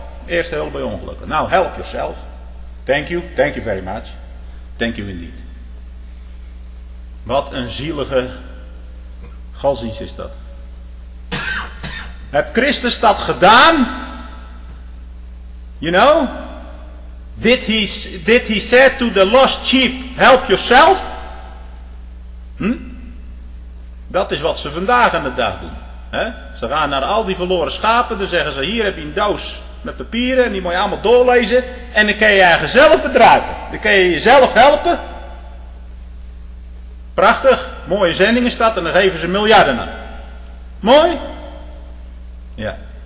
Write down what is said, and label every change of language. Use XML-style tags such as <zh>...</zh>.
<nl>Eerste hulp bij ongelukken. Nou,</nl> <en>help yourself. Thank you very much. Thank you indeed.</en> <nl>Wat een zielige godsdienst is dat. Heb Christus dat gedaan?</nl> <en>You know? Did he say to the lost sheep, help yourself?</en> <nl>Dat is wat ze vandaag aan de dag doen. He? Ze gaan naar al die verloren schapen, dan zeggen ze, hier heb je een doos met papieren, en die moet je allemaal doorlezen, en dan kun je eigen zelf bedruipen. Dan kun je jezelf helpen. Prachtig, mooie zendingen staat, en dan geven ze miljarden aan. Mooi? Ja.</nl>